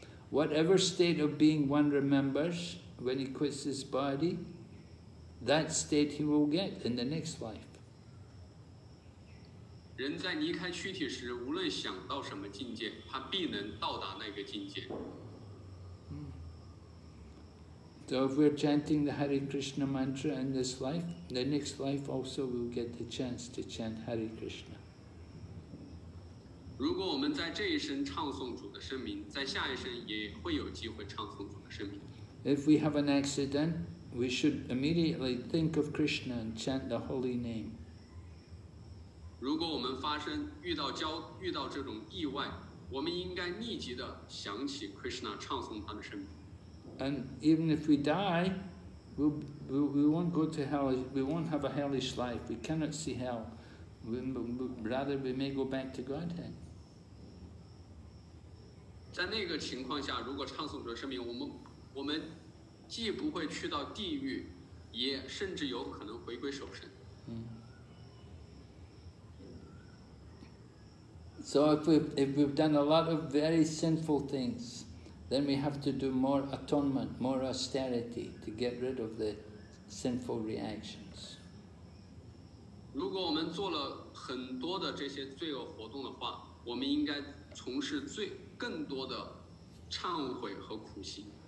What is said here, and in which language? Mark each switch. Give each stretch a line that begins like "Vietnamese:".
English: Whatever state of being one remembers when he quits his body, that state he will get in the next life.
Chinese: 人在离开躯体时，无论想到什么境界，他必能到达那个境界。
English: So if we're chanting the Hare Krishna mantra in this life, the next life also we'll get the chance to chant Hare Krishna.
Chinese: 如果我们在这一生唱诵主的圣名，在下一生也会有机会唱诵主的圣名。
English: If we have an accident, we should immediately think of Krishna and chant the holy name.
Chinese: 如果我们发生遇到这种意外，我们应该立即的想起 Krishna， 唱诵他的圣名。
English: And even if we die, we won't go to hell. We won't have a hellish life. We cannot see hell. Rather, we may go back to Godhead.
Chinese: 在那个情况下，如果唱诵者生命，我们既不会去到地狱，也甚至有可能回归守身。
English: So if we've done a lot of very sinful things. Then we have to do more atonement, more austerity to get rid of the sinful reactions.
Chinese: 如果我们做了很多的这些罪恶活动的话，我们应该从事更多的忏悔和苦行。